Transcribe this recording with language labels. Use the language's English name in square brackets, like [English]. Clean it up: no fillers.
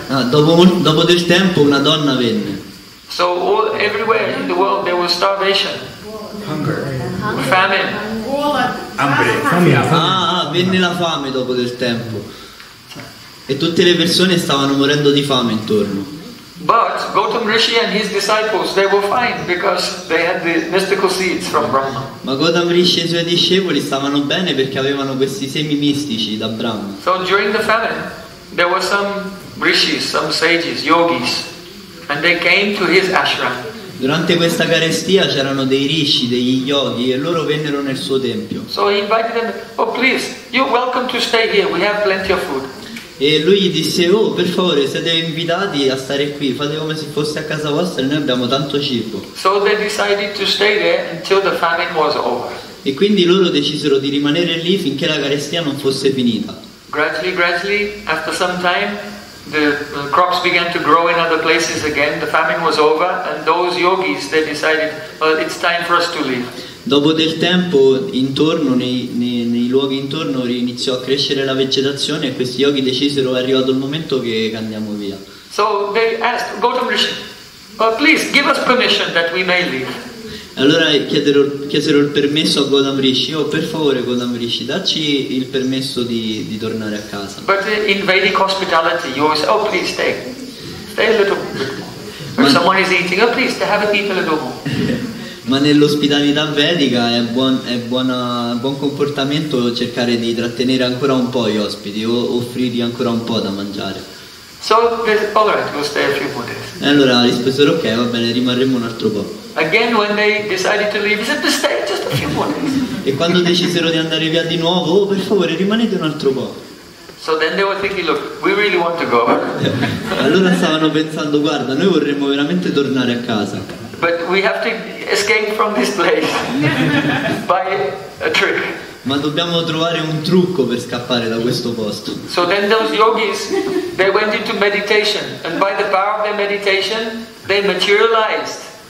[Italian] Dopo del tempo una donna venne. [English] So all, everywhere in the world there was starvation. Hunger. Famine. [Spanish] Hambre. [Italian] Venne la fame dopo del tempo. E tutte le persone stavano morendo di fame intorno. [English] But Gautama Rishi and his disciples, they were fine because they had the mystical seeds from Brahma. [Italian] Ma Gautama Rishi e i suoi discepoli stavano bene perché avevano questi semi mistici da Brahma. [English] So during the famine, there were some rishis, some sages, yogis, and they came to his ashram. [Italian] Durante questa carestia c'erano dei rishi, degli yogi, e loro vennero nel suo tempio. [English] So he invited them, oh please, you're welcome to stay here, we have plenty of food. [Italian] E lui gli disse, oh per favore siete invitati a stare qui, fate come se fosse a casa vostra e noi abbiamo tanto cibo. [English] So they decided to stay there until the famine was over. [Italian] E quindi loro decisero di rimanere lì finché la carestia non fosse finita. [English] Gradually, after some time, the crops began to grow in other places again, the famine was over, and those yogis, they decided, well, it's time for us to leave. [Italian] Dopo del tempo, intorno, nei luoghi intorno, iniziò a crescere la vegetazione e questi yogi decisero, è arrivato il momento che andiamo via. [English] So they asked Gautama Rishi, well, please give us permission that we may leave. [Italian] Allora chiesero il permesso a Gautama Rishi, oh per favore Gautama Rishi, dacci il permesso di tornare a casa. [English] But in Vedic hospitality, you always say, oh please stay a little bit more. Someone is eating, oh please stay, have a little bit more. [Italian] Ma nell'ospitalità vedica è buon comportamento cercare di trattenere ancora un po' gli ospiti o offrirgli ancora un po' da mangiare. [English] So all right, we'll stay a few more days. [Italian] E allora risposero, ok, va bene, rimarremo un altro po'. [English] Again, when they decided to leave, he said, "Stay just a few more days." [Italian] E quando decisero di andare via di nuovo, oh, per favore, rimanete un altro po'. [English] So then they were thinking, "Look, we really want to go." [Italian] Allora stavano pensando, guarda, noi vorremmo veramente tornare a casa. [English] But we have to escape from this place by a trick. [Italian] Ma dobbiamo trovare un trucco per scappare da questo posto. [English] So then those yogis, they went into meditation, and by the power of their meditation, they materialized.